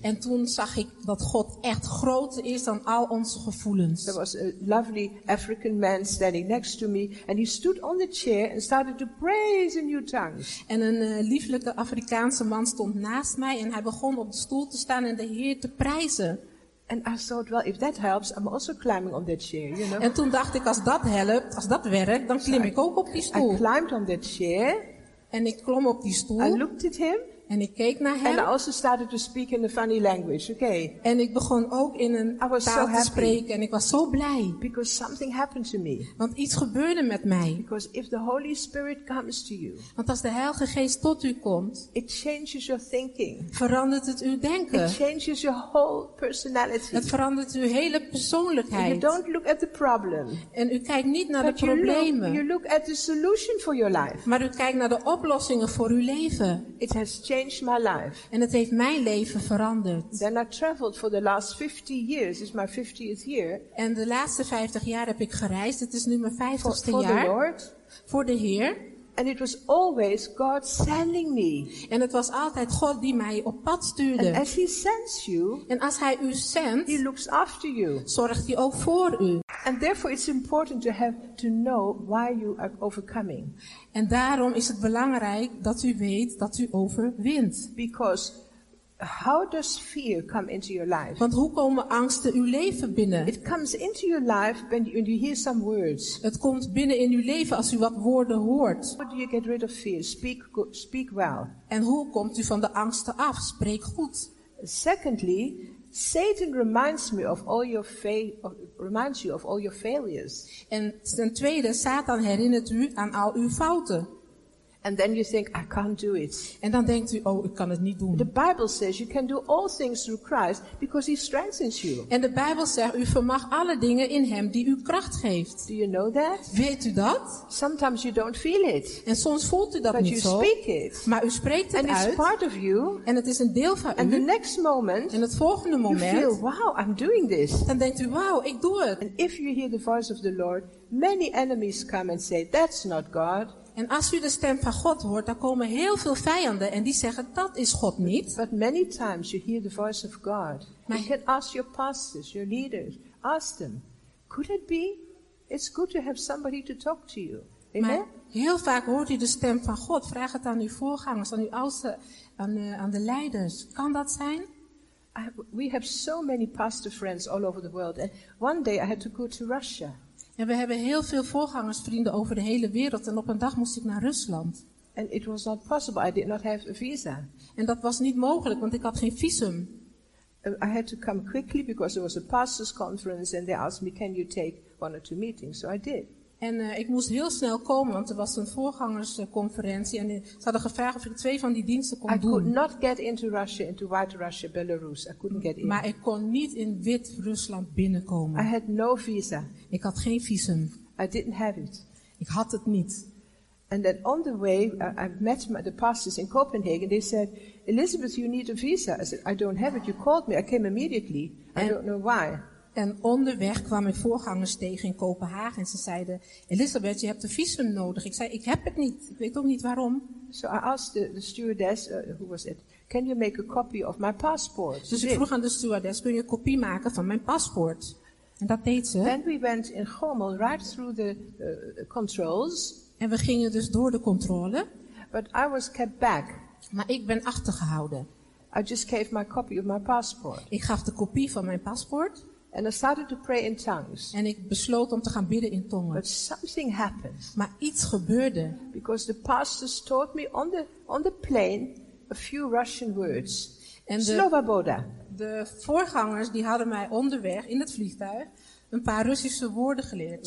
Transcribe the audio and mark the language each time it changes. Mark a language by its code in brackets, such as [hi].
[nl] En toen zag ik dat God echt groter is dan al onze gevoelens. [en] There was a lovely African man standing next to me and he stood on the chair and started to praise in new tongues. [nl] En een lieflijke Afrikaanse man stond naast mij en hij begon op de stoel te staan en de Heer te prijzen. [en] And I thought, well, if that helps, I'm also climbing on that chair, you know. [nl] En toen dacht ik als dat helpt, als dat werkt, dan klim ik ook op die stoel. [en] I climbed on that chair. [nl] En ik klom op die stoel. [en] I looked at him. [nl] En ik keek naar hem. [en] And I also started to speak in a funny language, okay? [nl] En ik begon ook in een taal te spreken. En ik was zo blij. [en] Because something happened to me. [nl] Want iets gebeurde met mij. [en] Because if the Holy Spirit comes to you. [nl] Want als de Heilige Geest tot u komt. [en] It changes your thinking. [nl] Verandert het uw denken. [en] It changes your whole personality. [nl] Het verandert uw hele persoonlijkheid. [en] And you don't look at the problem. [nl] En u kijkt niet naar [en] But [nl] de problemen. [en] You look at the solution for your life. [nl] Maar u kijkt naar de oplossingen voor uw leven. [en] It has changed my life. [nl] En het heeft mijn leven veranderd. [en] Then I traveled for the last 50 years. It's my 50th year. [nl] En de laatste 50 jaar heb ik gereisd. Het is nu mijn 50ste jaar. [en] For the Lord. [nl] Voor de Heer. [en] And it was always God sending me. [nl] En het was altijd God die mij op pad stuurde. [en] And as he sends you, [nl] en als hij u zendt, [en] he looks after you. [nl] Zorgt hij ook voor u. [en] And therefore it's important to have to know why you are overcoming. [nl] En daarom is het belangrijk dat u weet dat u overwint. [en] Because how does fear come into your life? [nl] Want hoe komen angsten uw leven binnen? [en] It comes into your life when you hear some words. [nl] Het komt binnen in uw leven als u wat woorden hoort. [en] How do you get rid of fear? Speak well. [nl] En hoe komt u van de angsten af? Spreek goed. [en] Secondly, Satan reminds you of all your failures. [nl] En ten tweede, Satan herinnert u aan al uw fouten. [en] And then you think, I can't do it. [nl] En dan denkt u, oh, ik kan het niet doen. [en] The Bible says you can do all things through Christ because he strengthens you. [nl] En de Bijbel zegt, u vermag alle dingen in hem die u kracht geeft. [en] Do you know that? [nl] Weet u dat? [en] Sometimes you don't feel it. [nl] En soms voelt u dat [en] But [nl] niet zo. [en] Speak it. [nl] Maar u spreekt het [en] And [nl] uit. [en] It's part of you. [nl] En het is een deel van [en] And [nl] u. [en] The next moment, [nl] en het volgende moment, [en] you feel, wow, I'm doing this. [nl] Dan denkt u, wauw, ik doe het. [en] And if you hear the voice of the Lord, many enemies come and say, that's not God. [nl] En als u de stem van God hoort, dan komen heel veel vijanden en die zeggen dat is God niet. [en] But many times you hear the voice of God. You can ask your pastors, your leaders, ask them, could it be? It's good to have somebody to talk to you. Amen? [nl] Maar heel vaak hoort u de stem van God. Vraag het aan uw voorgangers, aan uw oudste, aan de leiders. Kan dat zijn? [en] We have so many pastor friends all over the world. And one day I had to go to Russia. [nl] En we hebben heel veel voorgangersvrienden over de hele wereld. En op een dag moest ik naar Rusland. [en] And it was not possible. I did not have a visa. [nl] En dat was niet mogelijk, want ik had geen visum. [en] I had to come quickly because there was a pastors conference and they asked me, can you take one or two meetings? So I did. [nl] En ik moest heel snel komen, want er was een voorgangersconferentie. En ze hadden gevraagd of ik twee van die diensten kon doen. [en] I could not get into Russia, into White Russia, Belarus. I couldn't get in. [nl] Maar ik kon niet in Wit-Rusland binnenkomen. [en] I had no visa. [nl] Ik had geen visum. [en] I didn't have it. [nl] Ik had het niet. [en] And then on the way, I met the pastors in Copenhagen. They said, Elizabeth, you need a visa. I said, I don't have it. You called me. I came immediately. I don't know why. [nl] En onderweg kwam ik voorgangers tegen in Kopenhagen. En ze zeiden, Elizabeth, je hebt een visum nodig. Ik zei, ik heb het niet. Ik weet ook niet waarom. [en] So I asked the stewardess, who was it? Can you make a copy of my passport? [nl] Dus ik vroeg aan de stewardess, kun je een kopie maken van mijn paspoort? En dat deed ze. [en] Then we went in Gommel, right through the controls. [nl] En we gingen dus door de controle. [en] But I was kept back. [nl] Maar ik ben achtergehouden. [en] I just gave my copy of my passport. [nl] Ik gaf de kopie van mijn paspoort. [en] And I started to pray in tongues. [nl] En ik besloot om te gaan bidden in tongen. [en] But something happened. [nl] Maar iets gebeurde. [en] Because the pastors taught me on the plane a few Russian words. [nl] En [ru] Sloboda. [nl] De voorgangers die hadden mij onderweg in het vliegtuig een paar Russische woorden geleerd.